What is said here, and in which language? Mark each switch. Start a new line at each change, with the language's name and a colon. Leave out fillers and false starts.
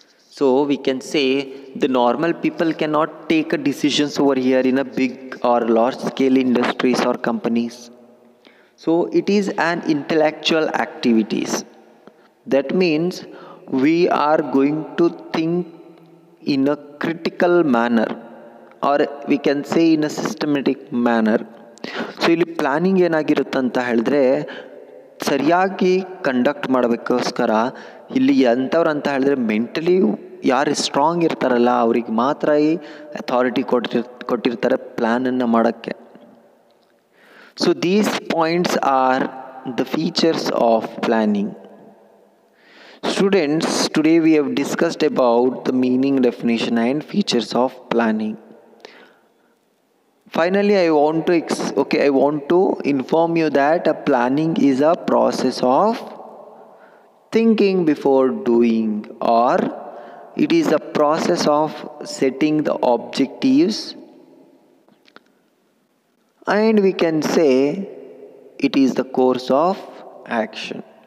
English: So we can say the normal people cannot take decisions over here in a big or large scale industries or companies. So it is an intellectual activities. That means we are going to think in a critical manner, or we can say in a systematic manner.
Kannada: So ili planning enagirutte anta helidre ಸರಿಯಾಗಿ conduct ಮಾಡಬೇಕೋಸ್ಕರ ಇಲ್ಲಿ ಎಂಥವ್ರು ಅಂತ ಹೇಳಿದ್ರೆ mentally ಯಾರು strong ಇರ್ತಾರಲ್ಲ ಅವ್ರಿಗೆ ಮಾತ್ರ ಈ authority ಕೊಟ್ಟಿರ್ತಾರೆ ಪ್ಲ್ಯಾನನ್ನು ಮಾಡೋಕ್ಕೆ.
English: So these points are the features of planning. Students, today we have discussed about the meaning, definition and features of planning. Finally, I want to inform you that a planning is a process of thinking before doing, or it is a process of setting the objectives, and we can say it is the course of action.